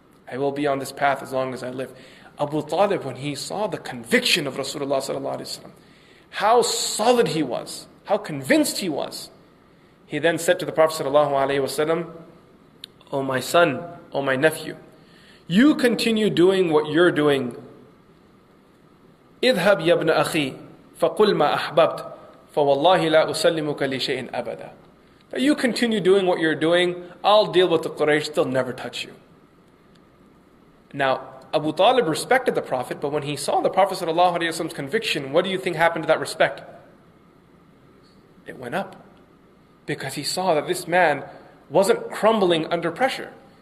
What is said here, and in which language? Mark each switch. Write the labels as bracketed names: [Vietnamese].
[English] I will be on this path as long as I live. Abu Talib, when he saw the conviction of Rasulullah sallallahu alaihi wasallam, how solid he was, how convinced he was, he then said to the Prophet sallallahu alaihi wasallam, O my son, O my nephew, you continue doing what you're doing. [Arabic] اذهب يا ابن أخي فقل ما أحببت فوالله لا أسلمك لشيء أبدا. [English] You continue doing what you're doing, I'll deal with the Quraysh, they'll never touch you. Now, Abu Talib respected the Prophet, but when he saw the Prophet sallallahu alaihi wasallam's conviction, what do you think happened to that respect? It went up. Because he saw that this man wasn't crumbling under pressure.